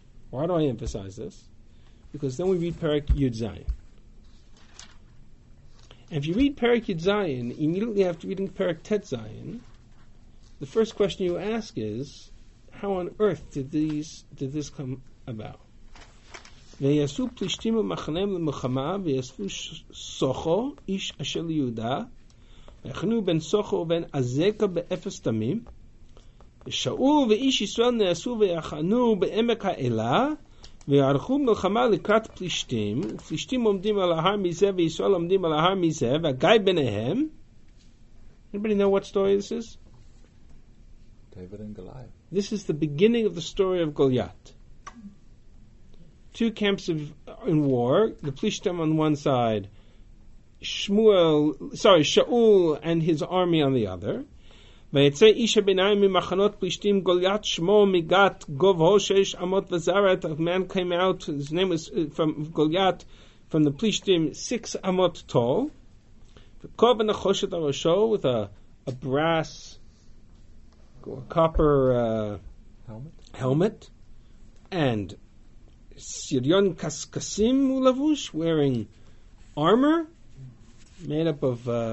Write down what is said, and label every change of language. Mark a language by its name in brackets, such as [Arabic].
[English] Why do I emphasize this? Because then we read Perek Yud Zayin. And if you read Perek Yud Zayin, immediately after reading Perek Tet Zayin, the first question you ask is, how on earth did this come about? [Hebrew] ויעשו פלישתים במחנה למלחמה, ויעשו סוחו, איש אשר ליהודה, ויחנו בין סוחו ובין עזקה באפס תמים, ושאול ואיש ישראל נעשו ויחנו בעמק האלה, ויערכו מלחמה לקראת פלישתים, ופלישתים עומדים על ההר מזה, וישראל עומדים על ההר מזה, והגיא ביניהם. [English] Anybody know what story this is? David and Goliath. This is the beginning of the story of Goliath. Two camps of in war, the Plishtim on one side, Shaul and his army on the other. [Hebrew] ויצא איש הביניים ממחנות פלישתים גוליית שמו מגת גובהו שש עמות וזרת. [English] A man came out, his name was from גוליית, from the פלישתים, six עמות tall. [Hebrew] וכובע נחושת הראשו, [English] with a brass, copper helmet. And [Hebrew] סיריון קסקסים הוא לבוש, [English] wearing armor, made up of